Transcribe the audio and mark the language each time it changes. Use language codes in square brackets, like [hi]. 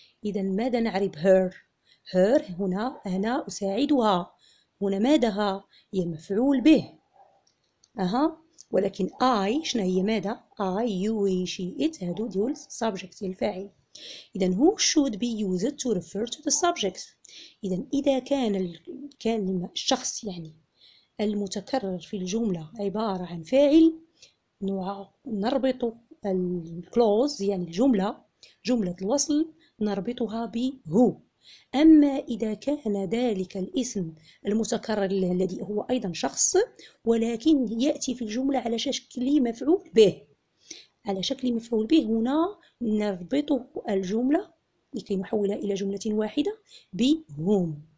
[ar] إذن ماذا نعرب her؟ her هنا أنا أساعدها. هنا ماذا هي مفعول به. أها، ولكن I شنو هي ماذا؟ [en] I, you, he, she, it [ar] هادو ديول subject الفاعل. [en] إذن who should be used to refer to the subject. [ar] إذن إذا كان الشخص يعني المتكرر في الجملة عبارة عن فاعل، نربط الكلوز يعني الجملة جملة الوصل نربطها ب who. أما إذا كان ذلك الاسم المتكرر الذي هو أيضا شخص ولكن يأتي في الجملة على شكل مفعول به، على شكل مفعول به هنا نربط الجملة لكي نحولها إلى جملة واحدة ب whom.